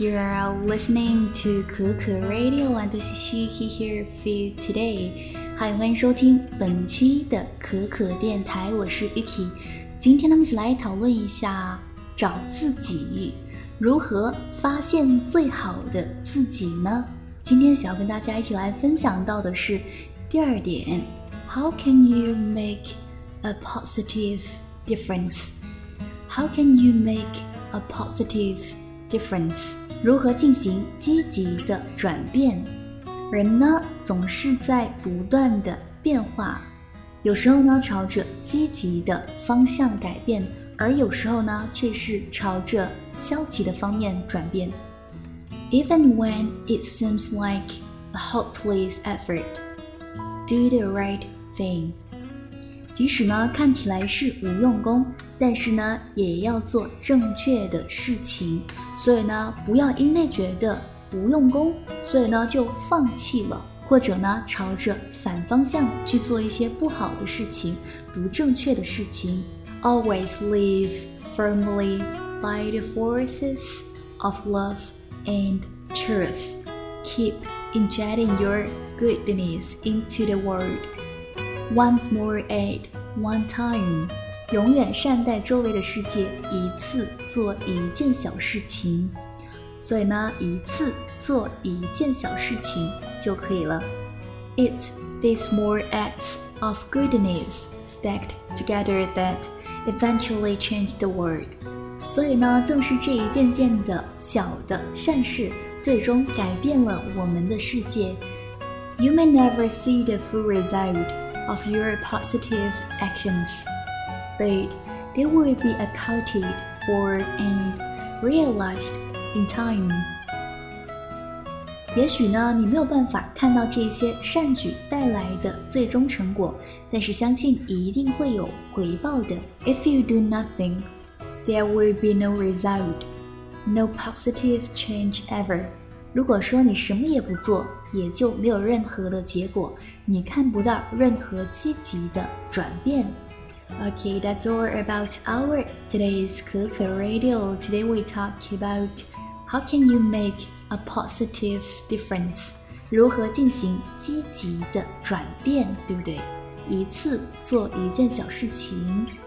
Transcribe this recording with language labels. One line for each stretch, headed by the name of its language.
English: You are listening to 可可 Radio, and this is Yuki here for you today.
Chinese: Hi, 欢迎收听本期的可可电台，我是 Yuki。今天呢，我们一起来讨论一下找自己，如何发现最好的自己呢？今天想要跟大家一起来分享到的是第二点 ，
English: How can you make a positive difference? How can you make a positive difference?
Chinese: 如何进行积极的转变？人呢，总是在不断的变化，有时候呢，朝着积极的方向改变，而有时候呢，却是朝着消极的方面转变。
English: Even when it seems like a hopeless effort, do the right thing.
Chinese: 即使呢看起来是无用功，但是呢也要做正确的事情。所以呢不要因为觉得无用功，所以呢就放弃了，或者呢朝着反方向去做一些不好的事情，不正确的事情。
English: Always live firmly by the forces of love. And truth, keep injecting your goodness into the world. Once more at one time.
Chinese: 永远善待周围的世界，一次做一件小事情。所以呢，一次做一件小事情就可以了。
English: It's these more acts of goodness stacked together that eventually change the world.
Chinese: 所以呢，正是这一件件的小的善事，最终改变了我们的世界。
English: You may never see the full result of your positive actions, but they will be accounted for and realized in time.
Chinese: 也许呢，你没有办法看到这些善举带来的最终成果，但是相信一定会有回报的。
English: If you do nothing,There will be no result, no positive change ever.
Chinese: 如果说你什么也不做，也就没有任何的结果，你看不到任何积极的转变。
English: Okay, that's all about our today's 可可 Radio. Today we talk about how can you make a positive difference?
Chinese: 如何进行积极的转变，对不对？一次做一件小事情。